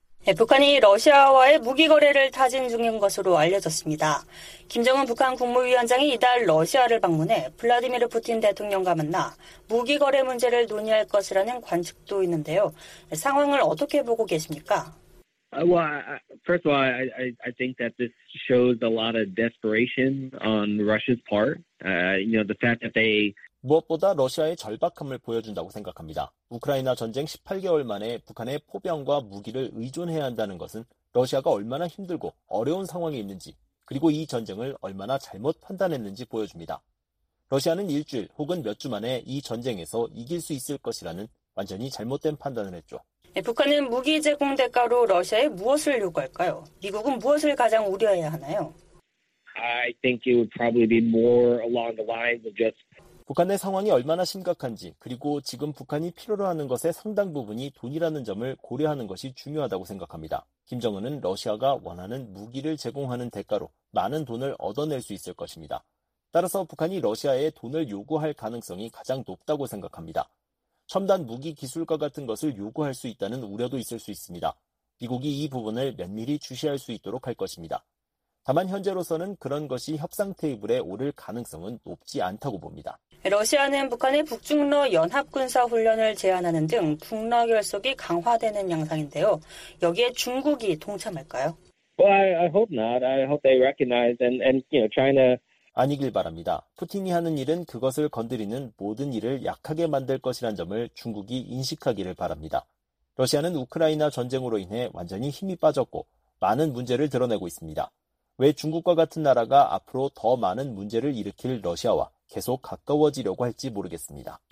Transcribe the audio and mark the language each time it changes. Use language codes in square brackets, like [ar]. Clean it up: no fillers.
[ko] 네, 북한이 러시아와의 무기 거래를 타진 중인 것으로 알려졌습니다. 김정은 북한 국무위원장이 이달 러시아를 방문해 블라디미르 푸틴 대통령과 만나 무기 거래 문제를 논의할 것이라는 관측도 있는데요. 상황을 어떻게 보고 계십니까? [en] First of all, I think that this shows a lot of desperation on Russia's part. You know, the fact that they [ko] 무엇보다 러시아의 절박함을 보여준다고 생각합니다. 우크라이나 전쟁 18개월 만에 북한의 포병과 무기를 의존해야 한다는 것은 러시아가 얼마나 힘들고 어려운 상황에 있는지 그리고 이 전쟁을 얼마나 잘못 판단했는지 보여줍니다. 러시아는 일주일 혹은 몇 주 만에 이 전쟁에서 이길 수 있을 것이라는 완전히 잘못된 판단을 했죠. 네, 북한은 무기 제공 대가로 러시아에 무엇을 요구할까요? 미국은 무엇을 가장 우려해야 하나요? [en] I think it would probably be more along the lines of just [ko] 북한의 상황이 얼마나 심각한지 그리고 지금 북한이 필요로 하는 것의 상당 부분이 돈이라는 점을 고려하는 것이 중요하다고 생각합니다. 김정은은 러시아가 원하는 무기를 제공하는 대가로 많은 돈을 얻어낼 수 있을 것입니다. 따라서 북한이 러시아에 돈을 요구할 가능성이 가장 높다고 생각합니다. 첨단 무기 기술과 같은 것을 요구할 수 있다는 우려도 있을 수 있습니다. 미국이 이 부분을 면밀히 주시할 수 있도록 할 것입니다. 다만 현재로서는 그런 것이 협상 테이블에 오를 가능성은 높지 않다고 봅니다. 러시아는 북한의 북중러 연합군사훈련을 제안하는 등 북러 결속이 강화되는 양상인데요. 여기에 중국이 동참할까요? [en] Well, I hope not. I hope they recognize and you know, China [ko] 아니길 바랍니다. 푸틴이 하는 일은 그것을 건드리는 모든 일을 약하게 만들 것이란 점을 중국이 인식하기를 바랍니다. 러시아는 우크라이나 전쟁으로 인해 완전히 힘이 빠졌고 많은 문제를 드러내고 있습니다. 왜 중국과 같은 나라가 앞으로 더 많은 문제를 일으킬 러시아와 계속 가까워지려고 할지 모르겠습니다.